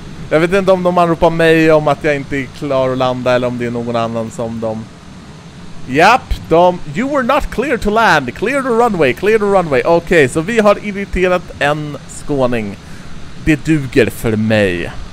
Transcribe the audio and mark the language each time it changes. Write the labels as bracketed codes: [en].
[sv] Jag vet inte om de anropar mig om att jag inte är klar att landa, eller om det är någon annan som de. Japp, de. [en] You were not clear to land. Clear the runway, clear the runway. [sv] Okej, så vi har irriterat en skåning. Det duger för mig.